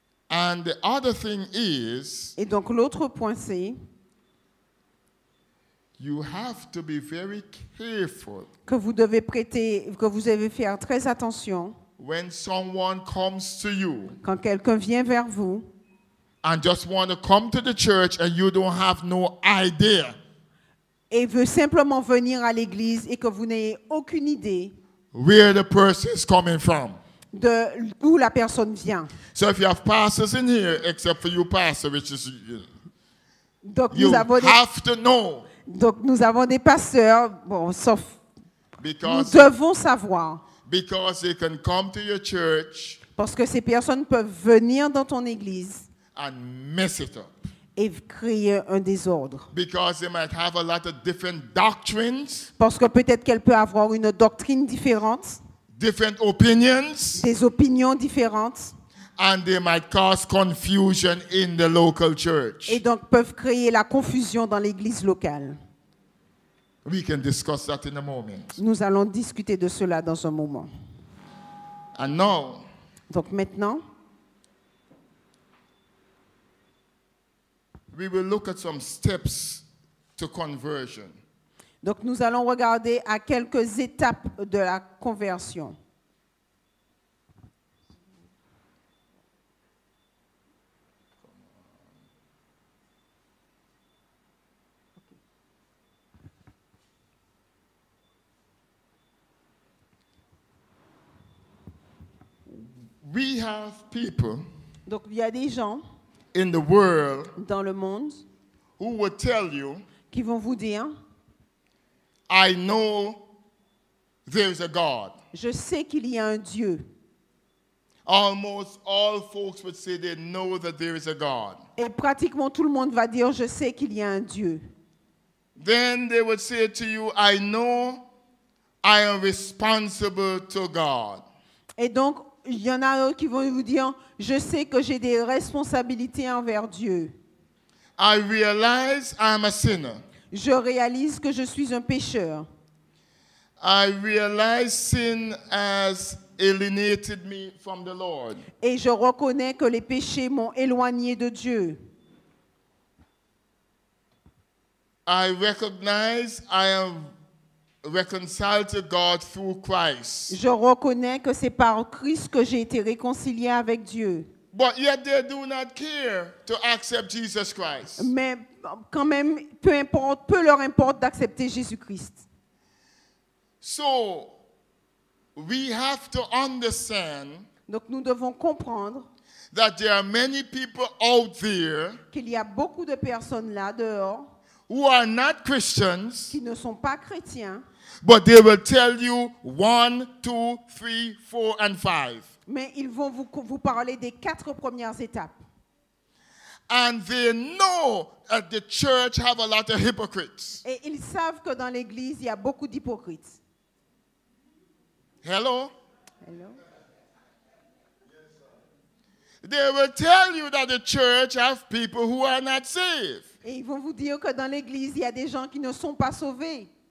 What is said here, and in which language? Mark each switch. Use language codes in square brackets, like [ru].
[en] And the other thing is. [fr] Et donc l'autre point c'est. [en] You have to be very careful. [fr] Que vous devez prêter, que vous devez faire très attention. [en] When someone comes to you. [fr] Quand quelqu'un vient vers vous. [en] And just want to come to the church and you don't have no idea. [fr] Et veut simplement venir à l'église et que vous n'ayez aucune idée [en] where the person is coming from. [fr] De où la personne vient. [en] So if you have pastors in here, except for you, pastor, which is [fr] donc [en] you, you have to know. [fr] Donc nous avons des pasteurs, bon, sauf [en] because, [fr] nous devons savoir. [en] Because they can come to your church. [fr] Parce que ces personnes peuvent venir dans ton église. [en] And mess it up. [fr] Et créer un désordre. [en] Because they might have a lot of different doctrines. [fr] Parce que peut-être qu'elle peut avoir une doctrine différente. [en] Different opinions. [fr] Des opinions différentes. [en] And they might cause confusion in the local church. [fr] Et donc peuvent créer la confusion dans l'église locale. [en] We can discuss that in a moment. [fr] Nous allons discuter de cela dans un moment. [en] And now. [fr] Donc maintenant. [en] We will look at some steps to conversion. [fr] Donc nous allons regarder à quelques étapes de la conversion. [en] We have people. [fr] Donc il y a des gens. [en] In the world, [fr] dans le monde, [en] who will tell you, [fr] qui vont vous dire, [en] I know there is a God. [fr] Je sais qu'il y a un Dieu. [en] Almost all folks would say they know that there is a God. [fr] Et pratiquement tout le monde va dire, je sais qu'il y a un Dieu. [en] Then they would say to you, I know I am responsible to God. [fr] Et donc, il y en a d'autres qui vont vous dire, je sais que j'ai des responsabilités envers Dieu. [en] I realize I'm a sinner. [fr] Je réalise que je suis un pécheur. [en] I realize sin as alienated me from the Lord. [fr] Et je reconnais que les péchés m'ont éloigné de Dieu. [en] I recognize I am reconciled to God through Christ. [fr] Je reconnais que c'est par Christ que j'ai été réconcilié avec Dieu. [en] But yet they do not care to accept Jesus Christ. [fr] Mais quand même, peu importe, peu leur importe d'accepter Jésus-Christ. [en] So, we have to understand. [fr] Donc nous devons comprendre [en] that there are many people out there. [fr] Qu'il y a beaucoup de personnes là dehors. [en] Who are not Christians? [fr] Qui ne sont pas chrétiens. [en] But they will tell you 1, 2, 3, 4, and 5. [fr] Mais ils vont vous parler des quatre premières étapes. [en] And they know that the church have a lot of hypocrites. [fr] Et ils savent que dans l'église il y a beaucoup d'hypocrites. [en] Hello. Hello. They will tell you that the church have people who are not saved. [fr] Et ils vont vous dire que dans l'église il y a des gens qui ne sont pas sauvés.